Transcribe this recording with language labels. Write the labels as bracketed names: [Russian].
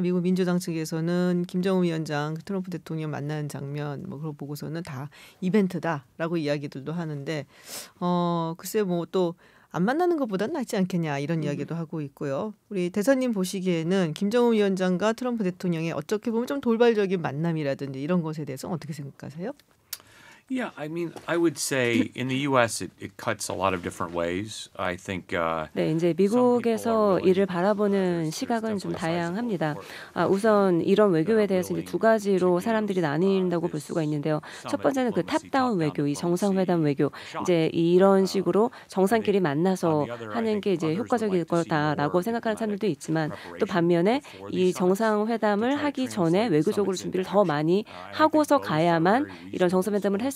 [Korean] 미국 민주당 측에서는 김정은 위원장 트럼프 대통령 만나는 장면 뭐 그걸 보고서는 다 이벤트다라고 이야기들도 하는데 글쎄 뭐 또 안 만나는 것보다 낫지 않겠냐 이런 이야기도 하고 있고요. 우리 대사님 보시기에는 김정은 위원장과 트럼프 대통령의 어떻게 보면 좀 돌발적인 만남이라든지 이런 것에 대해서 어떻게 생각하세요? [English] Yeah, I mean, I would say in the U.S. it cuts a lot of different ways. I think. [Korean] 네, 이제 미국에서 이를 바라보는 시각은 좀 다양합니다. 우선 이런 외교에 대해서 이제 두 가지로 사람들이 나뉜다고 볼 수가 있는데요. 첫 번째는 그 탑다운 외교, 이 정상회담 외교. 이제 이런 식으로 정상끼리 만나서 하는 게 이제 효과적일 거다라고 생각하는 사람들도 있지만 또 반면에 이 정상회담을 하기 전에 외교적으로 준비를 더 많이 하고서 가야만 이런 정상회담을 했을